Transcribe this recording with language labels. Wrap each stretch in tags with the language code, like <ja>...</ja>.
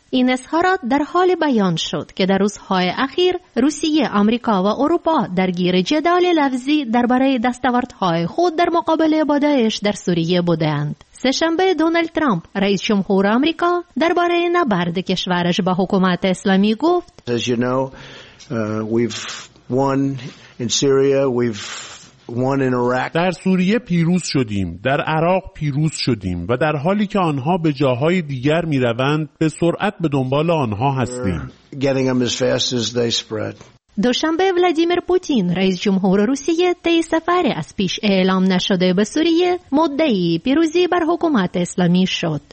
<fa>این اظهارات در حال بیان شد که در روزهای اخیر روسیه، آمریکا و اروپا درگیر جدال لفظی درباره دستاوردهای خود در مقابله با داعش در سوریه بودند. سه‌شنبه دونالد ترامپ، رئیس جمهور آمریکا، درباره نبرد کشورش با حکومت اسلامی گفت:</fa> <en>As you know, we've won in Syria, we've won in Iraq.</en> <fa>در سوریه پیروز شدیم، در عراق پیروز شدیم و در حالی که آنها به جاهای دیگر می‌روند، به سرعت به دنبال آنها هستیم.</fa> <en>Getting them as fast as they spread.</en> <fa>دوشنبه ولادیمیر پوتین، رئیس جمهور روسیه، طی سفر از پیش اعلام نشده به سوریه مدعی پیروزی بر حکومت اسلامی شد.</fa>